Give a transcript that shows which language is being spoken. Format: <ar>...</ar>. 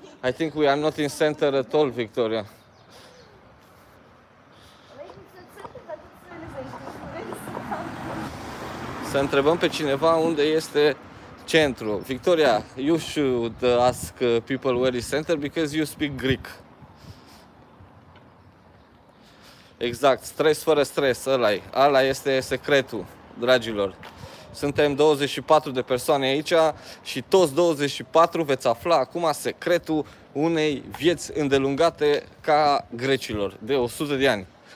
<en>I think we are not in center at all, Victoria.</en> <ro>Aici, în centru, dar tu nu le zici. să întrebăm pe cineva unde este centru.</ro> <en>Victoria, you should ask people where is center because you speak Greek.</en> <ro>Exact, stres fără stres, ăla-i. Ăla este secretul, dragilor. Suntem 24 de persoane aici și toți 24 veți afla acum secretul unei vieți îndelungate ca grecilor, de 100 de ani.</ro>